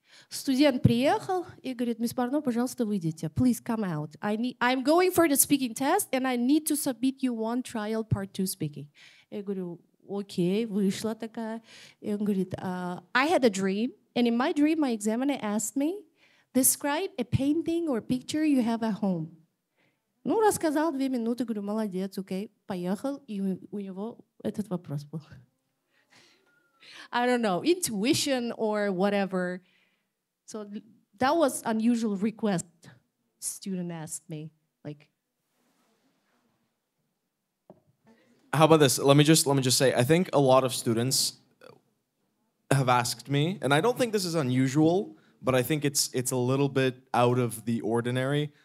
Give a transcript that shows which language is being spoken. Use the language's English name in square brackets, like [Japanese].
[Russian] Студент приехал и говорит, мисс Барно, пожалуйста, выйдите. [English] Please come out. I'm going for the speaking test and I need to submit you one trial part two speaking. [Russian] Я говорю, [English] Okay, [Russian] вышла такая. И он говорит, [English] I had a dream, and in my dream, my examiner asked me, describe a painting or picture you have at home. [Russian] Ну, рассказал 2 минуты, говорю, молодец, окей, поехал, и у него этот вопрос был. [English] I don't know, intuition or whatever. So that was an unusual request student asked me, like. How about this? Let me just say, I think a lot of students have asked me, and I don't think this is unusual, but I think it's a little bit out of the ordinary.